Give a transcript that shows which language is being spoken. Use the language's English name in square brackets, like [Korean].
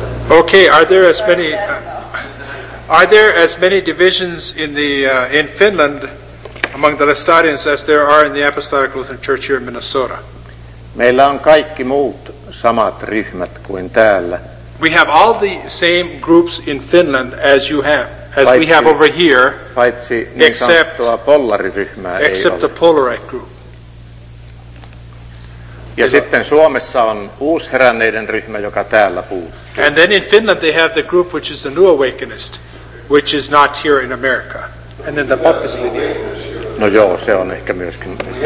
[English] Okay, are there as many divisions in Finland among the Lestadians as there are in the Apostolic Lutheran Church here in Minnesota? [Finnish] Meillä on kaikki muut samat ryhmät kuin täällä, [English] We have all the same groups in Finland as you have, as [Finnish] paitsi, [English] we have over here, [Finnish] niin [English] except the Polarite group. [Finnish] Ja sitten Suomessa on uusheränneiden ryhmä, joka täällä puuttuu. [English] And then in Finland they have the group which is the New Awakenist, which is not here in America. And then the Baptist lineage. [Finnish] No joo, se on ehkä myöskin.